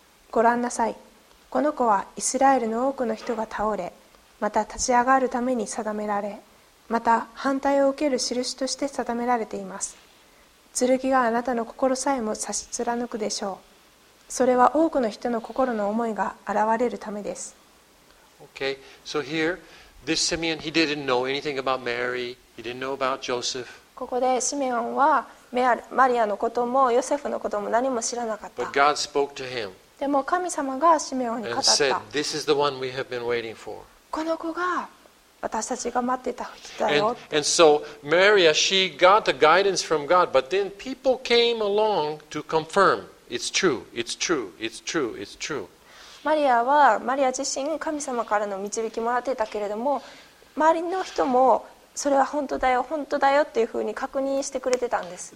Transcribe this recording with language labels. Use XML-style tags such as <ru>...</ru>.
<ja>ご覧なさい、この子はイスラエルの多くの人が倒れ、また立ち上がるために定められ、また反対を受ける印として定められています。剣があなたの心さえも差し貫くでしょう。それは多くの人の心の思いが現れるためです。</ja> <en>Okay, so here, this Simeon, he didn't know anything about Mary. He didn't know about Joseph.</en> <ja>ここでシメオンはマリアのこともヨセフのことも何も知らなかった。</ja> <en>But God spoke to him.</en> <ja>でも神様がシメオンに語った。</ja> <en>Said, This is the one we have been waiting for.</en> <ja>この子が私たちが待ってた人だよ。</ja> <en>And so Maria, she got the guidance from God, but then people came along to confirm. It's true. It's true. It's true. It's true.</en> <ja>マリアはマリア自身神様からの導きもらってたけれども、周りの人もそれは本当だよ、本当だよっていうふうに確認してくれてたんです。</ja>